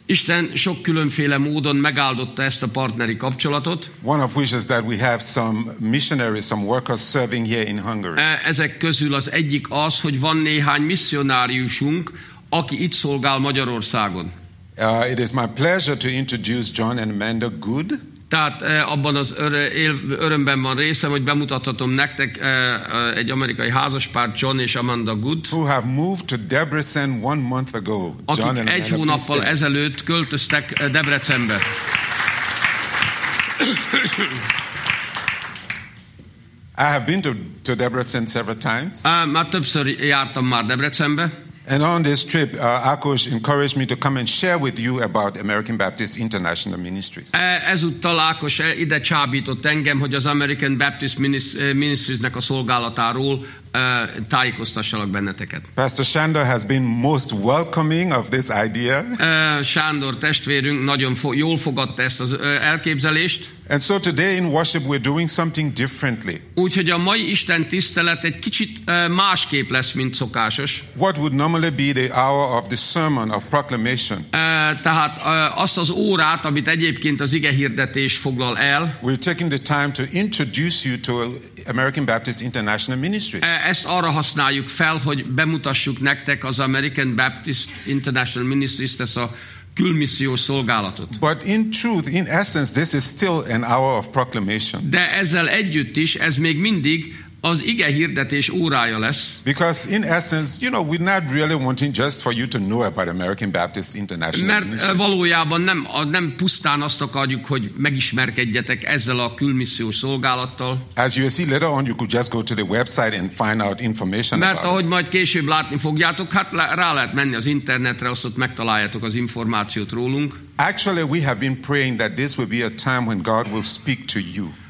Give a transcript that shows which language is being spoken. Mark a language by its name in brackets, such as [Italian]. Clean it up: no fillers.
[Hungarian] Isten sok különféle módon megáldotta ezt a partneri kapcsolatot. [English] One of which is that we have some missionaries, some workers serving here in Hungary. [Hungarian] Ezek közül az egyik az, hogy van néhány missionáriusunk, aki itt szolgál Magyarországon. [English] It is my pleasure to introduce John and Amanda Good. [Hungarian] Tehát abban az örömben van részem, hogy bemutathatom nektek egy amerikai házaspár, John és Amanda Good, [English] who have moved to Debrecen 1 month ago. [Hungarian] Akik egy hónappal ezelőtt költöztek Debrecenbe. [English] I have been to Debrecen several times. [Hungarian] Már többször jártam már Debrecenbe. [English] And on this trip, Ákos encouraged me to come and share with you about American Baptist International Ministries. [Hungarian] Ezúttal Ákos ide csábított engem, hogy az American Baptist Ministriesnek a szolgálatáról tájékoztassalak benneteket. [English] Pastor Sándor has been most welcoming of this idea. [Hungarian] Sándor testvérünk nagyon jól fogadta ezt az elképzelést. [English] And so today in worship we're doing something differently. [Hungarian] Úgyhogy a mai Isten tisztelet egy kicsit másképp lesz, mint szokásos. [English] What would normally be the hour of the sermon of proclamation? [Hungarian] Tehát azt az órát, amit egyébként az igehirdetés foglal el. [English] We're taking the time to introduce you to American Baptist International Ministries. [Hungarian] Ezt arra használjuk fel, hogy bemutassuk nektek az American Baptist International Ministries, ezt a külmissziós szolgálatot. [English] But in truth, in essence, this is still an hour of proclamation. [Hungarian] De ezzel együtt is, ez még mindig az ige hirdetés órája lesz. [English] Because in essence, you know, we're not really wanting just for you to know about American Baptist International. [Hungarian] Mert valójában nem pusztán azt akarjuk, hogy megismerkedjetek ezzel a külmissziós szolgálattal. [English] As you see later on, you could just go to the website and find out information. [Hungarian] Mert [English] about [Hungarian] ahogy majd később látni fogjátok, hát rá lehet menni az internetre, azt ott megtaláljátok az információt rólunk. [English] Actually, we have been praying that this will be a time when God will speak to you.